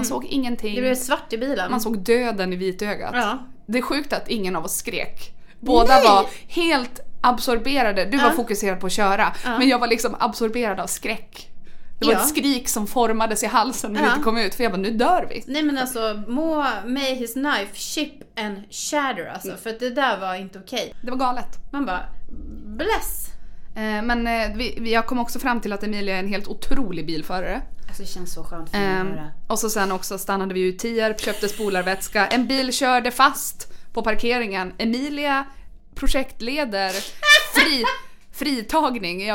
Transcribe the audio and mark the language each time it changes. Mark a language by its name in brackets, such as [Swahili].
[Swedish] Man såg ingenting. Det blev svart i bilen. Man såg döden i vit ögat. Ja. Det är sjukt att ingen av oss skrek. Båda nej! Var helt absorberade. Du var fokuserad på att köra, men jag var liksom absorberad av skräck. Det var ett skrik som formades i halsen när vi inte kom ut. För jag bara, nu dör vi. Nej men alltså, [English] may his knife chip and shatter [Swedish] alltså. Mm. För att det där var inte okej. Det var galet. Man bara, bless. Men jag kom också fram till att Emilia är en helt otrolig bilförare. Alltså det känns så skönt för mig att höra. Och så sen också stannade vi ju i Tierp, köpte spolarvätska. En bil körde fast på parkeringen. Emilia projektleder fritagning.